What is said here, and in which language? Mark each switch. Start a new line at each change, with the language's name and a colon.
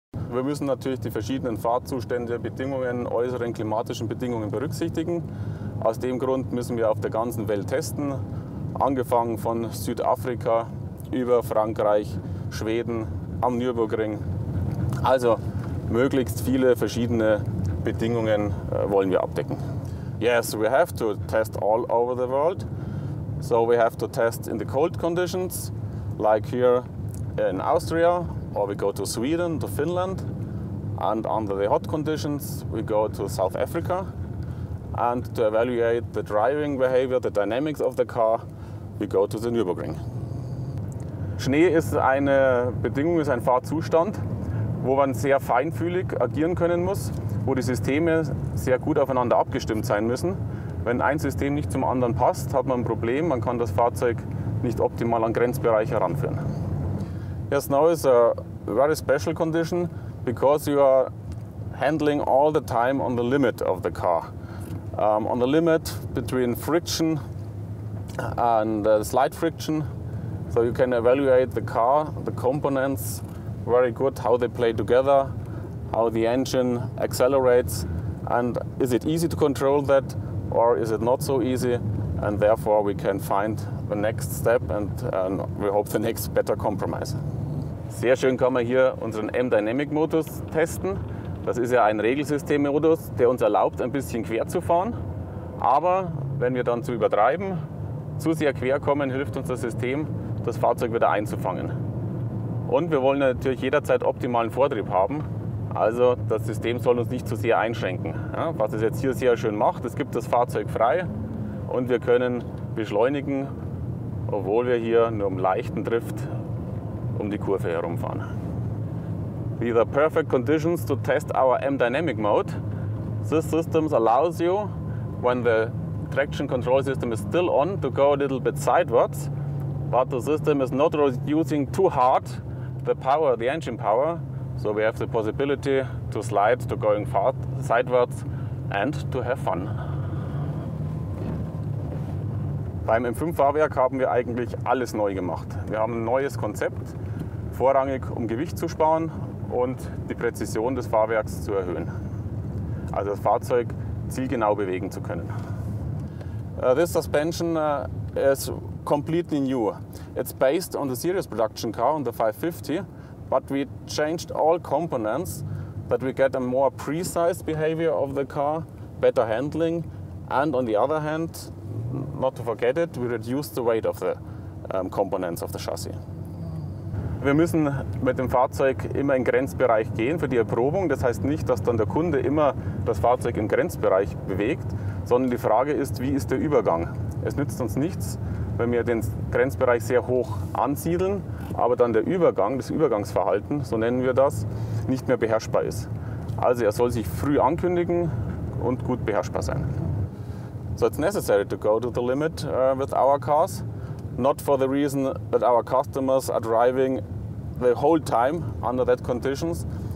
German: wir müssen natürlich die verschiedenen Fahrzustände, Bedingungen, äußeren klimatischen Bedingungen berücksichtigen. Aus dem Grund müssen wir auf der ganzen Welt testen, angefangen von Südafrika über Frankreich, Schweden, am Nürburgring. Also möglichst viele verschiedene Bedingungen wollen wir abdecken.
English: Yes, we have to test all over the world. So we have to test in the cold conditions, like here in Austria, or we go to Sweden, to Finland, and under the hot conditions, we go to South Africa. And to evaluate the driving behavior, the dynamics of the car, we go to the Nürburgring.
German: Schnee ist eine Bedingung, ist ein Fahrzustand, wo man sehr feinfühlig agieren können muss, wo die Systeme sehr gut aufeinander abgestimmt sein müssen. Wenn ein System nicht zum anderen passt, hat man ein Problem, man kann das Fahrzeug nicht optimal an Grenzbereiche heranführen.
English: Yes, snow is a very special condition, because you are handling all the time on the limit of the car. On the limit between friction and slight friction, so you can evaluate the car, the components very good, how they play together, how the engine accelerates, and is it easy to control that or is it not so easy, and therefore we can find the next step and we hope the next better compromise.
German: Sehr schön kann man hier unseren M-Dynamic Modus testen. Das ist ja ein Regelsystemmodus, der uns erlaubt, ein bisschen quer zu fahren. Aber wenn wir dann zu übertreiben, zu sehr quer kommen, hilft uns das System, das Fahrzeug wieder einzufangen. Und wir wollen natürlich jederzeit optimalen Vortrieb haben. Also das System soll uns nicht zu sehr einschränken. Ja, was es jetzt hier sehr schön macht, es gibt das Fahrzeug frei und wir können beschleunigen, obwohl wir hier nur im leichten Drift um die Kurve herumfahren.
English: These are perfect conditions to test our M-Dynamic mode. This system allows you, when the traction control system is still on, to go a little bit sidewards, but the system is not using too hard the power, the engine power, so we have the possibility to slide, to going fast sidewards and to have fun.
German: Beim M5-Fahrwerk haben wir eigentlich alles neu gemacht. Wir haben ein neues Konzept, vorrangig um Gewicht zu sparen und die Präzision des Fahrwerks zu erhöhen, also das Fahrzeug zielgenau bewegen zu können.
English: This suspension is completely new. It's based on the series production car, on the 550, but we changed all components that we get a more precise behavior of the car, better handling, and on the other hand, not to forget it, we reduced the weight of the components of the chassis.
German: Wir müssen mit dem Fahrzeug immer in Grenzbereich gehen für die Erprobung. Das heißt nicht, dass dann der Kunde immer das Fahrzeug im Grenzbereich bewegt, sondern die Frage ist, wie ist der Übergang? Es nützt uns nichts, wenn wir den Grenzbereich sehr hoch ansiedeln, aber dann der Übergang, das Übergangsverhalten, so nennen wir das, nicht mehr beherrschbar ist. Also er soll sich früh ankündigen und gut beherrschbar sein.
English: So it's necessary to go to the limit with our cars. Not for the reason that our customers are driving the whole time under that conditions.